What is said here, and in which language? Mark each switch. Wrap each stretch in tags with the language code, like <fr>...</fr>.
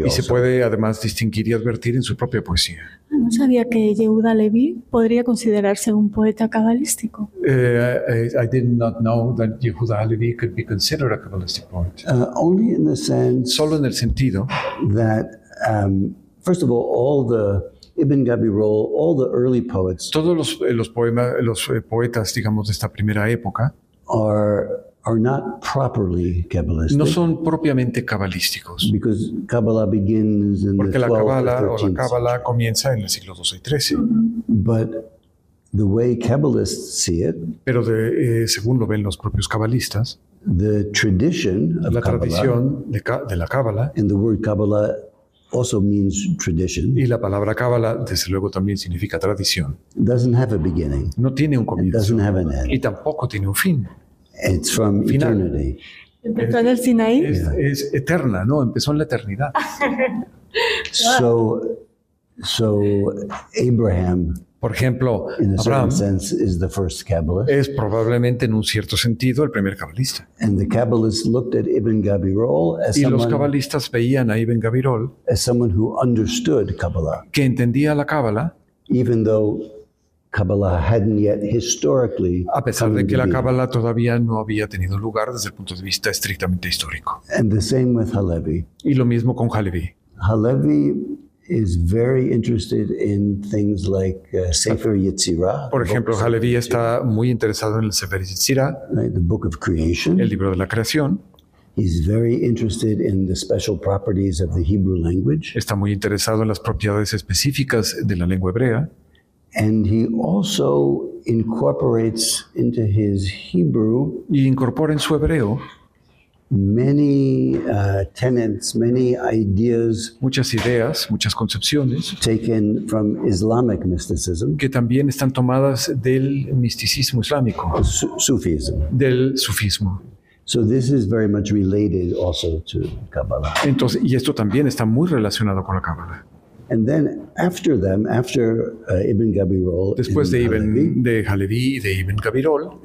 <en>also.</en> <es>Y se puede además distinguir y advertir en su propia poesía. No sabía que Yehuda Levi podría considerarse un poeta cabalístico.</es> <en>I did not know that Yehuda Levi could be considered a cabalistic poet. Only in the sense,</en> <es>solo en el sentido,</es> <en>that first of all the Ibn Gabirol, all the early poets,</en> <es>todos los poemas, los poetas, digamos, de esta primera época,</es> <en>are not properly cabalistic.</en> <es>No son propiamente cabalísticos.</es> <en>Because Kabbalah begins in</en> <es>porque</es> <en>the 12th Kabbalah, or 13th century.</en> <es>La Kabbalah comienza en el siglo XII y XIII.</es> <en>But the way Kabbalists see it,</en> <es>pero de, según lo ven los propios cabalistas,</es> <en>the tradition of</en> <es>la tradición de la Kabbalah,</es> <en>and the word Kabbalah also means tradition,</en> <es>y la palabra Kabbalah, desde luego, también significa tradición,</es> <en>doesn't have a beginning,</en> <es>no tiene un comienzo,</es> <en>and doesn't have an end.</en> <es>Y tampoco tiene un fin.</es> <en>It's from final. Eternity.</en> <es>Empezó en el Sinaí. Es eterna, ¿no? Empezó en la eternidad.</es> <en>So Abraham,</en> <es>por ejemplo,</es> <en>in a Abraham certain sense is the first Kabbalist.</en> <es>Es probablemente en un cierto sentido el primer cabalista.</es> <en>And the Kabbalists looked at Ibn Gabirol as</en> <es>y</es> <en>someone,</en> <es>los cabalistas veían a Ibn Gabirol</es> <en>as someone who understood Kabbalah,</en> <es>que entendía la Kábala,</es> <en>even though Kabbalah hadn't yet historically,</en> <es>a pesar de que la Kábala todavía no había tenido lugar desde el punto de vista estrictamente histórico.</es> <en>And the same with Halevi.</en> <es>Y lo mismo con Halevi.</es> <en>Halevi is very interested in things like Sefer Yetzirah.</en> <es>Por ejemplo, Halevi está muy interesado en el Sefer Yetzirah,</es> <en>right, the Book of Creation,</en> <es>el libro de la creación.</es> <en>He's very interested in the special properties of the Hebrew language.</en> <es>Está muy interesado en las propiedades específicas de la lengua hebrea.</es> <en>And he also incorporates into his Hebrew,</en> <es>y incorpora en su hebreo,</es> <en>many tenets, many ideas,</en> <es>muchas ideas, muchas concepciones,</es> <en>taken from Islamic mysticism,</en> <es>que también están tomadas del misticismo islámico,</es> <en>Sufism.</en> <es>Del sufismo.</es> <en>So this is very much related also to Kabbalah.</en> <es>Entonces, y esto también está muy relacionado con la Kabbalah.</es> <en>And then after them, after Ibn Gabirol,</en> <es>después de Ibn Halevi y de Ibn Gabirol,</es>